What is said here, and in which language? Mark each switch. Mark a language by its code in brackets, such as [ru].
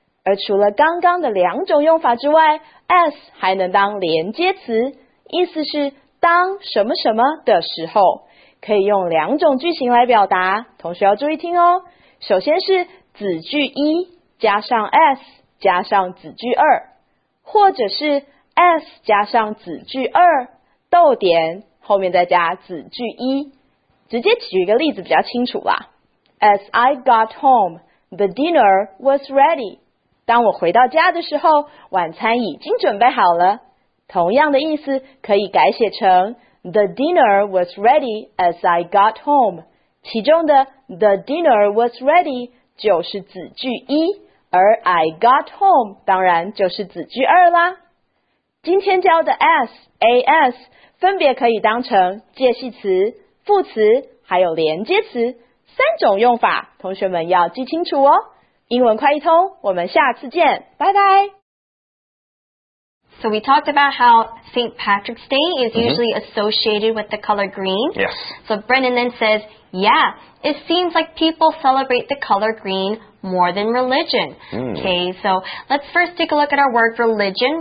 [zh] 而除了刚刚的两种用法之外， S 还能当连接词，意思是当什么什么的时候，可以用两种句型来表达，同学要注意听哦。首先是子句一加上 S 加上子句二，或者是S 加上子句二，逗点后面再加子句一。直接举一个例子比较清楚啦。 [en] As I got home, the dinner was ready. [zh] 当我回到家的时候，晚餐已经准备好了。同样的意思可以改写成 [en] The dinner was ready as I got home. [zh] 其中的 [en] The dinner was ready [zh] 就是子句一，而 [en] I got home [zh] 当然就是子句二啦。今天教的 S, AS 分别可以当成介系词、副词还有连接词三种用法，同学们要记清楚哦。英文快译通，我们下次见，拜拜。 [en] So we talked about how St. Patrick's Day is usually associated with the color green. Yes. So Brennan then says, yeah, it seems like people celebrate the color greenmore than religion. Okay, so let's first take a look at our word religion.